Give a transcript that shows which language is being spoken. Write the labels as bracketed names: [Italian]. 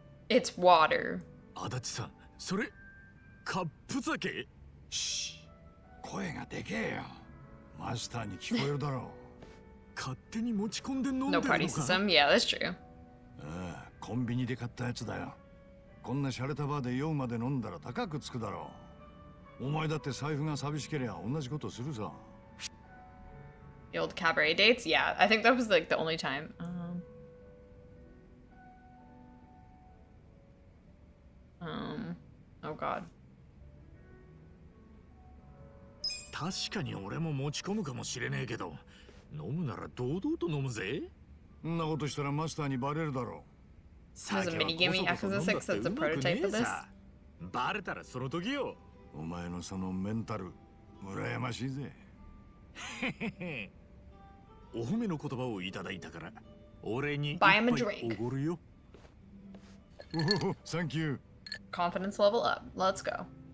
[English] It's water. Adachi-san, that's cup of sake. Shh. Your voice is big. Master will hear you. Are you drinking it yourself? No party system. Yeah, that's true. Yeah, I bought it at the convenience store. [Japanese] こんな洒落たバーで酔うまで飲んだら高くつくだろう。お前だって財布が寂しければ同じことするさ。 [English] The old cabaret dates? Yeah, I think that was like the only time. Oh god. [Japanese] 確かに俺も持ち込むかもしれねえけど、飲むなら堂々と飲むぜ。んなことしたらマスターにバレるだろう。 [English] There's a mini game in Yakuza 6 that's a prototype of this. [Japanese] バレたらその時よ。お前のそのメンタル、羨ましいぜ。お褒めの言葉をいただいたから、俺に一杯おごるよ。 [English] Thank you. Confidence level up. Let's go.